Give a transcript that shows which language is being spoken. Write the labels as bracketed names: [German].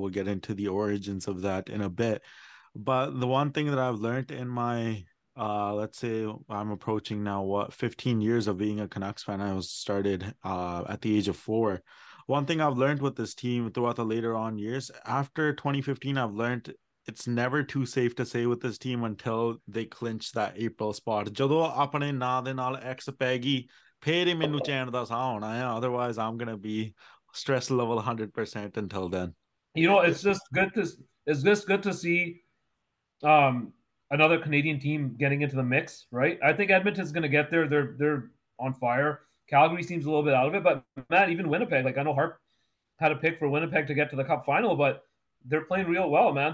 [English] We'll get into the origins of that in a bit. But the one thing that I've learned in my, let's say I'm approaching now, 15 years of being a Canucks fan, I was started at the age of 4. One thing I've learned with this team throughout the later on years, after 2015, I've learned it's never too safe to say with this team until they clinch that April spot. [Punjabi] ਜਦੋਂ ਆਪਣੇ ਨਾਂ ਦੇ ਨਾਲ X ਪੈਗੀ ਫੇਰ ਹੀ ਮੈਨੂੰ ਚੈਨ ਦਾ ਸਾਹ ਆਉਣਾ ਹੈ. [English] Otherwise I'm going to be stress level 100% until then. You know, it's just good to see another Canadian team getting into the mix, right? I think Edmonton's going to get there. They're on fire. Calgary seems a little bit out of it, but man, even Winnipeg, like I know Harp had a pick for Winnipeg to get to the cup final, but they're playing real well, man.